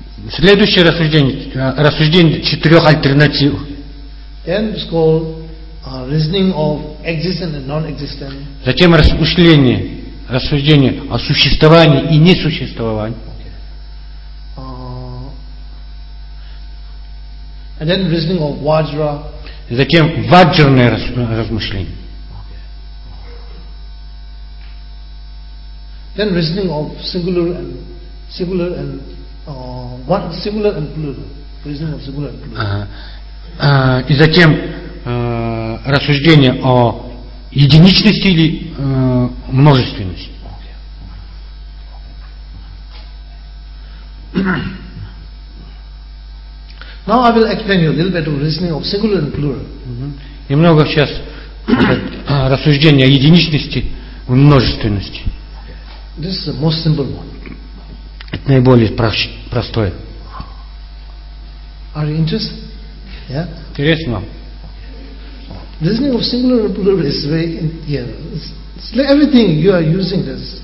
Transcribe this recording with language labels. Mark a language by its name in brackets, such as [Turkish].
[Russian] Следующее рассуждение, четырех альтернатив. [English] Then it's called reasoning of existent and non-existent. [Russian] Затем рассуждение о существовании и несуществовании. [English] And then reasoning of Vajra. [Russian] И затем ваджарное размышление. [English] Then reasoning of singular and singular and one singular and plural. Reasoning of singular and plural. [Russian] И затем рассуждение о единичности или множественности. [English] Now I will explain you a little bit of reasoning of singular and plural. [Russian] Немного сейчас рассуждение о единичности и множественности. [English] This is the most simple one. [Russian] Это наиболее простое. [English] Are you interested? Yeah? [Russian] Интересно. [English] Reasoning of singular and plural is very it's like everything you are using this.